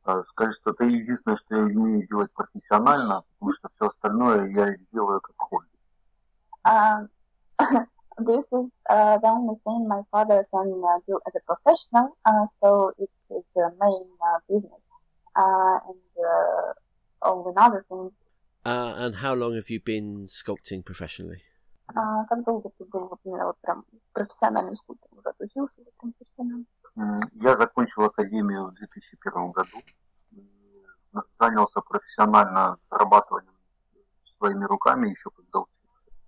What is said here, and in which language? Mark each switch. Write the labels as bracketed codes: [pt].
[ru] Скажи, что это единственное, что я умею делать профессионально, потому что все остальное я делаю как хобби. [en] This is the only thing my father can do as a professional, so it's his main business. And all the other things. And how long have you been sculpting professionally? [ru] Как долго ты был прям профессиональным скульптором? Уже отучился таким профессиональным? Я закончил академию в 2001 году, занялся профессионально зарабатыванием своими руками еще когда учился.